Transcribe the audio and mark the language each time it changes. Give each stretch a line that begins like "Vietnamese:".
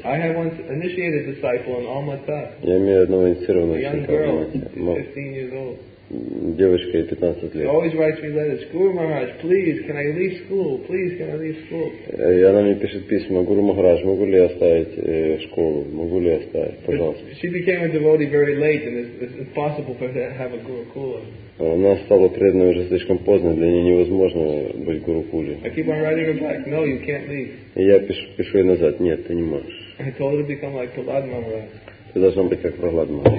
English: I have once initiated a disciple in Almaty.
Russian: Я имею одного инициированного ученика.
English: A young girl, 15 years old.
Russian: Девочка ей 15 лет.
English: She always writes me letters. Guru Maharaj, please, can I leave school? Please, can I leave school?
Russian: И она мне пишет письма. Гуру Махарадж, могу ли я оставить школу? Могу ли я оставить? Пожалуйста.
English: She became a devotee very late and it's impossible for her to have a Guru Kula.
Russian: Она стала преданной уже слишком поздно, для нее невозможно быть Гуру Кули.
English: I keep on writing her back. No, you can't leave.
Russian: И я пишу ей назад. Нет, ты не можешь.
English: I told her to become like Prahlad Maharaj.
Russian: Ты должна быть как Прохлад